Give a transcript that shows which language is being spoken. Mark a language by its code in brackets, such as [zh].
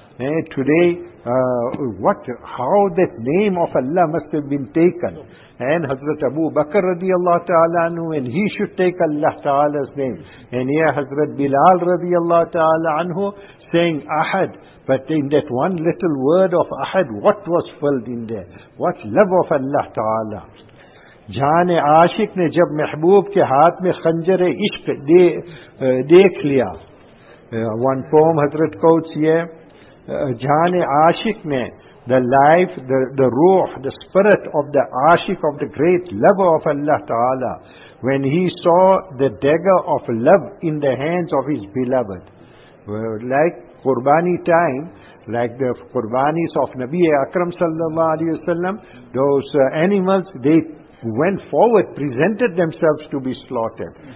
[en] Today, how that name of Allah must have been taken. And Hazrat Abu Bakr radiallahu ta'ala anhu, and he should take Allah Ta'ala's name. And here Hazrat Bilal radiallahu ta'ala anhu saying Ahad. But in that one little word of Ahad, what was filled in there? What love of Allah Ta'ala. [ur] جان عاشق نے جب محبوب کے ہاتھ میں خنجر عشق دیکھ لیا. [en] One poem حضرت quotes here. [ur] جان عاشق نے, [en] the life, the ruh, the spirit of the عاشق, of the great lover of Allah Ta'ala, when he saw the dagger of love in the hands of his beloved, like qurbani time, like the qurbanis of Nabi Akram Sallallahu Alaihi Wasallam, those animals, they went forward, presented themselves to be slaughtered.